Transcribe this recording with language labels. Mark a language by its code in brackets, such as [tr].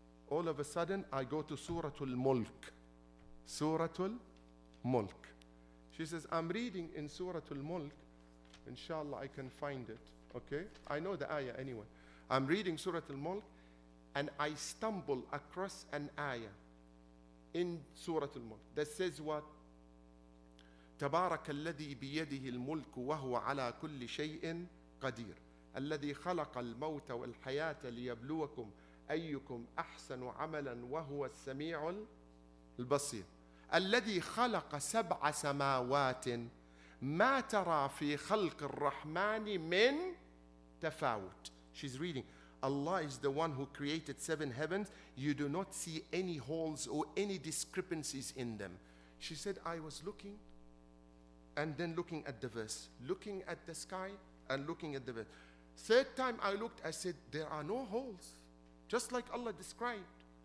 [en] All of a sudden, I go to Suratul Mulk. Suratul Mulk. She says, I'm reading in Suratul Mulk. Inshallah, I can find it. Okay? I know the ayah anyway. I'm reading Surah Al-Mulk, and I stumble across an ayah in Surah Al-Mulk that says what? [ar] تبارك الذي بيده الملك وهو على كل شيء قدير الذي خلق الموت والحياة ليبلوكم أيكم أحسن عملا وهو السميع البصير الذي خلق سبع سماوات ما ترى في خلق الرحمن من تفاوت. [en] She's reading. Allah is the one who created seven heavens. You do not see any holes or any discrepancies in them. She said, I was looking and then looking at the verse, looking at the sky and looking at the verse. Third time I looked, I said, there are no holes, just like Allah described.